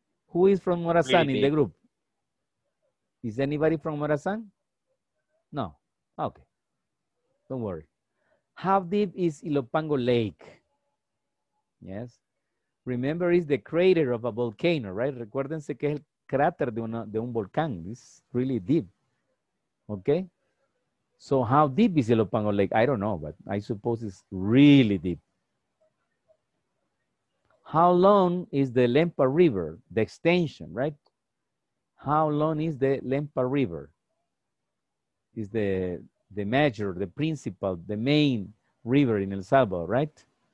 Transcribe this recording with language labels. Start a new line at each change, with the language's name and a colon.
English: Who is from Morazan in the group? Is anybody from Morazan? No. Okay. Don't worry. How deep is Ilopango Lake? Yes. Remember, it's the crater of a volcano, right?
Spanish: Recuérdense que es el cráter de un volcán.
English: It's really deep. Okay. So how deep is Ilopango Lake? I don't know, but I suppose it's really deep. How long is the Lempa River, the extension, right? How long is the Lempa River? Is the major, the principal, the main river in El Salvador, right?